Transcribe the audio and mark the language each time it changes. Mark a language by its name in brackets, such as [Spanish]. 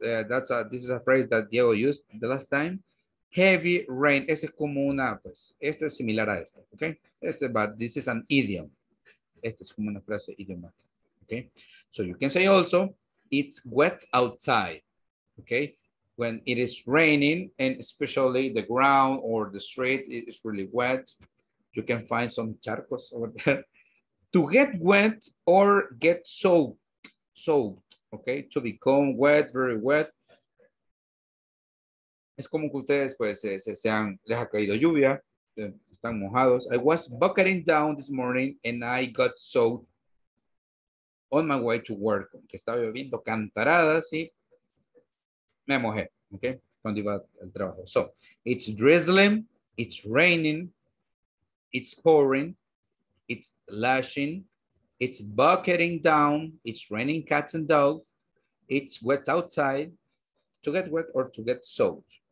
[English] This is a phrase that Diego used the last time. [Spanish] Heavy rain, ese es como una, pues, este es similar a esta, ok? Este, [English] but this is an idiom. [Spanish] Este es como una frase idiomática, ok? [English] So you can say also, it's wet outside, ok? When it is raining, and especially the ground or the street is really wet, you can find some charcos over there. To get wet or get soaked, ok? To become wet, very wet. [Spanish] Es como que ustedes, pues, les ha caído lluvia, están mojados. [English] I was bucketing down this morning and I got soaked on my way to work. [Spanish] Que estaba lloviendo cantaradas y me mojé, ¿ok? Cuando iba al trabajo. [English] So, it's drizzling, it's raining, it's pouring, it's lashing, it's bucketing down, it's raining cats and dogs, it's wet outside, to get wet or to get soaked.